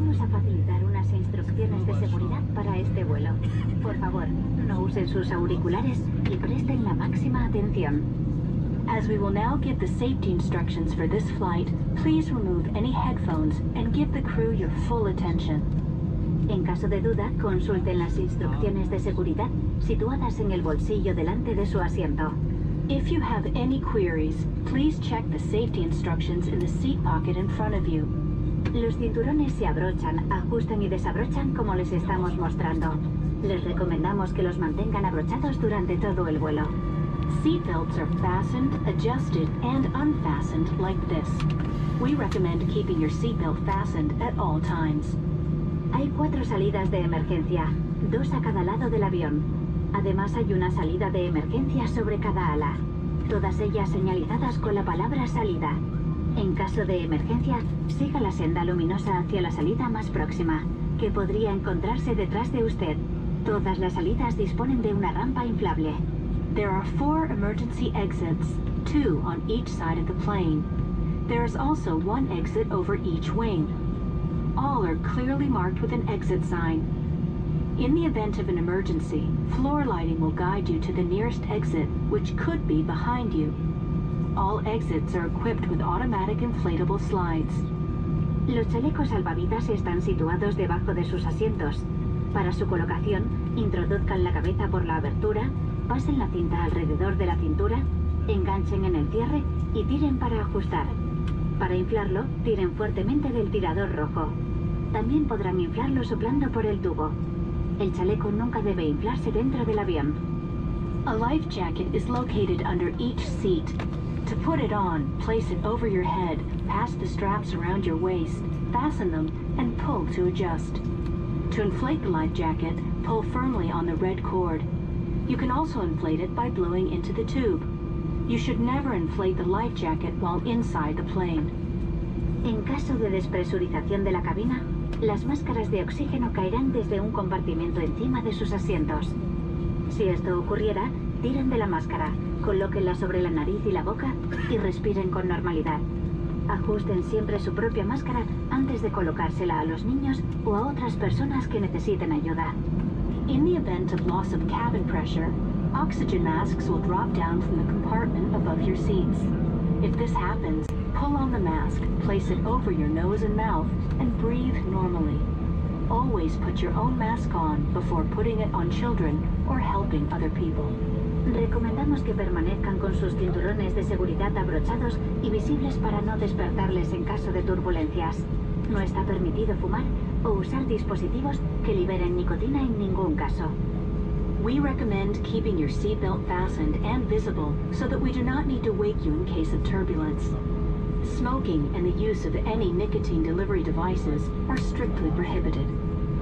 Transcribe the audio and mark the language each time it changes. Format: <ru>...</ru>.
<es>facilitar unas instrucciones de seguridad para este vuelo. Por favor, no usen sus auriculares y presten la máxima atención.</es> <en>As we will now give the safety instructions for this flight, please remove any headphones and give the crew your full attention.</en> <es>En caso de duda, consulten las instrucciones de seguridad situadas en el bolsillo delante de su asiento.</es> <en>If you have any queries, please check the safety instructions in the seat pocket in front of you.</en> <es>Los cinturones se abrochan, ajustan y desabrochan como les estamos mostrando. Les recomendamos que los mantengan abrochados durante todo el vuelo.</es> <en>Seat belts are fastened, adjusted, and unfastened like this. We recommend keeping your seat belt fastened at all times.</en> <es>Hay cuatro salidas de emergencia, dos a cada lado del avión. Además, hay una salida de emergencia sobre cada ala, todas ellas señalizadas con la palabra salida. En caso de emergencia, siga la senda luminosa hacia la salida más próxima, que podría encontrarse detrás de usted. Todas las salidas disponen de una rampa inflable.</es> <en>There are four emergency exits, two on each side of the plane. There is also one exit over each wing. All are clearly marked with an exit sign. In the event of an emergency, floor lighting will guide you to the nearest exit, which could be behind you. All exits are equipped with automatic inflatable slides.</en> <es>Los chalecos salvavidas están situados debajo de sus asientos. Para su colocación, introduzcan la cabeza por la abertura, pasen la cinta alrededor de la cintura, enganchen en el cierre y tiren para ajustar. Para inflarlo, tiren fuertemente del tirador rojo. También podrán inflarlo soplando por el tubo. El chaleco nunca debe inflarse dentro del avión.</es> <en>A life jacket is located under each seat. To put it on, place it over your head, pass the straps around your waist, fasten them, and pull to adjust. To inflate the life jacket, pull firmly on the red cord. You can also inflate it by blowing into the tube. You should never inflate the life jacket while inside the plane.</en> <es>En caso de despresurización de la cabina, las máscaras de oxígeno caerán desde un compartimento encima de sus asientos. Si esto ocurriera, tiren de la máscara, colóquenla sobre la nariz y la boca y respiren con normalidad. Ajusten siempre su propia máscara antes de colocársela a los niños o a otras personas que necesiten ayuda.</es> <en>In the event of loss of cabin pressure, oxygen masks will drop down from the compartment above your seats. If this happens, pull on the mask, place it over your nose and mouth, and breathe normally. Always put your own mask on before putting it on children or helping other people.</en> <es>Recomendamos que permanezcan con sus cinturones de seguridad abrochados y visibles para no despertarles en caso de turbulencias. No está permitido fumar o usar dispositivos que liberen nicotina en ningún caso.</es> <en>We recommend keeping your seatbelt fastened and visible so that we do not need to wake you in case of turbulence. Smoking and the use of any nicotine delivery devices are strictly prohibited.</en>